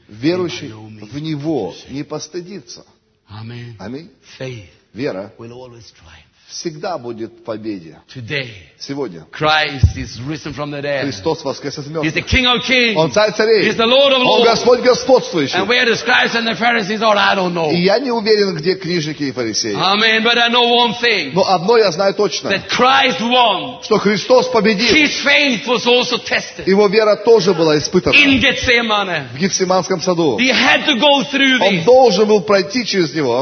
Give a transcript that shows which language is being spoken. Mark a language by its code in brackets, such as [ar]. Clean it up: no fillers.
[ru] верующий в него не постыдится. Аминь. Аминь. [en] Faith. [ru] Вера. [en] Will always triumph. [ru] Всегда будет победе. [en] Today, [ru] сегодня. [en] Christ is risen from the dead. [ru] Христос воскрес из мертвых. [en] He's the King of Kings. [ru] Он царь царей. [en] He's the Lord of Lords. [ru] Он Господь господствующий. [en] And where the scribes and the Pharisees are, I don't know. [ru] И я не уверен, где книжники и фарисеи. [en] Amen, but I know one thing. [ru] Но одно я знаю точно. [en] That Christ won. [ru] Что Христос победил. [en] His faith was also tested. [ru] Его вера тоже была испытана. [en] In Gethsemane. [ru] В Гефсиманском саду. [en] He had to go through this. [ru] Он должен был пройти через него.